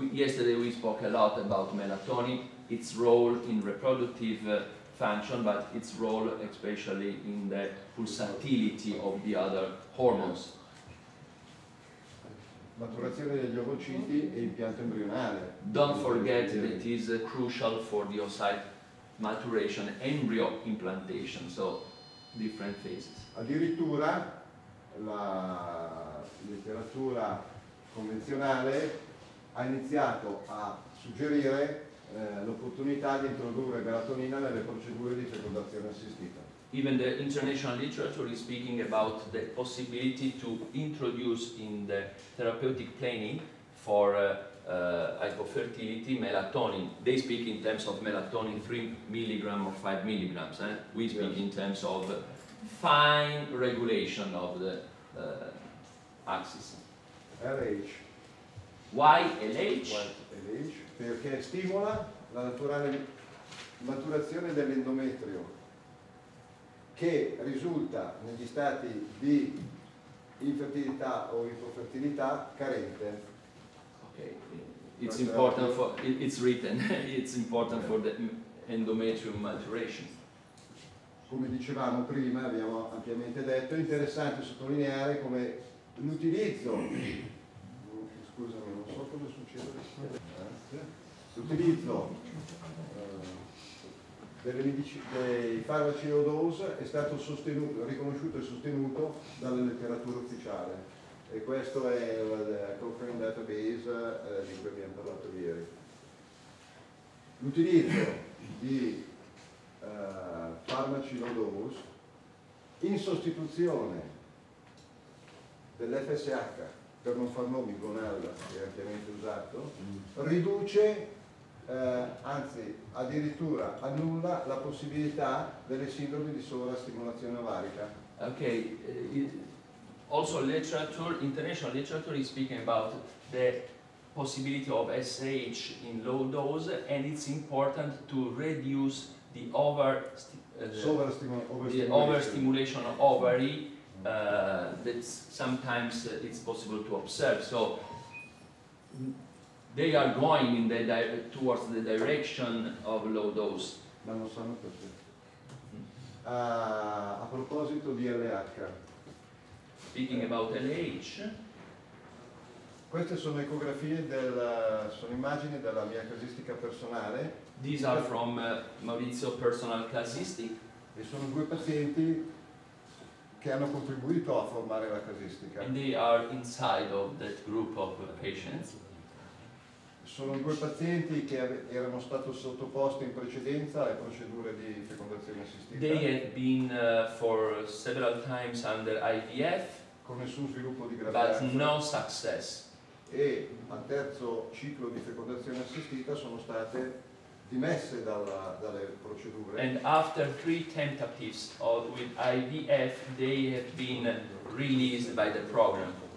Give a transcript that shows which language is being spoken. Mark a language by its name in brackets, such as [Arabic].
[English] Yesterday we spoke a lot about melatonin, its role in reproductive function, but its role especially in the pulsatility of the other hormones. [Italian] Maturazione degli ovociti e impianto embrionale. [English] Don't forget that it is crucial for the oocyte maturation, embryo implantation, so different phases. [Italian] Addirittura la letteratura convenzionale ha iniziato a suggerire l'opportunità di introdurre melatonina nelle procedure di fecondazione assistita. [English] Even the international literature is speaking about the possibility to introduce in the therapeutic planning for hypofertility melatonin. They speak in terms of melatonin 3 milligram or 5 milligrams. Eh? We speak in terms of fine regulation of the axis. LH. Why LH? [Italian] Perché stimola la naturale maturazione dell'endometrio, che risulta negli stati di infertilità o ipofertilità carente. Okay. [English] It's important for, it's written, it's important for the endometrium maturation. [Italian] Come dicevamo prima, abbiamo ampiamente detto, è interessante sottolineare come l'utilizzo, scusami, non so cosa succede, l'utilizzo dei farmaci low dose è stato sostenuto, riconosciuto e sostenuto dalla letteratura ufficiale. E questo è il conference database di cui abbiamo parlato ieri. L'utilizzo di farmaci low dose in sostituzione dell'FSH, per non far nomi, Gonalla è ampiamente usato, riduce, anzi addirittura annulla la possibilità delle sindrome di sovrastimolazione ovarica. [English] Ok, also literature, international literature is speaking about the possibility of SH in low dose, and it's important to reduce the overstimulation of ovary that sometimes it's possible to observe. So they are going in the towards the direction of low dose. [Italian] Ma non sanno perché. A proposito di LH. [English] Speaking about LH. [Italian] Queste sono ecografie sono immagini della mia casistica personale. [English] These are from Maurizio personal casistic. [Italian] E sono due pazienti che hanno contribuito a formare la casistica. [English] And they are inside of that group of patients. [Italian] Sono due pazienti che erano stati sottoposti in precedenza alle procedure di fecondazione assistita. [English] They had been for several times under IVF. [Italian] Con nessun sviluppo di gravidanza. [English] But no success. [Italian] E al terzo ciclo di fecondazione assistita sono state dimesse dalle procedure. [English] And after three tentatives of with IVF, they have been released by the program.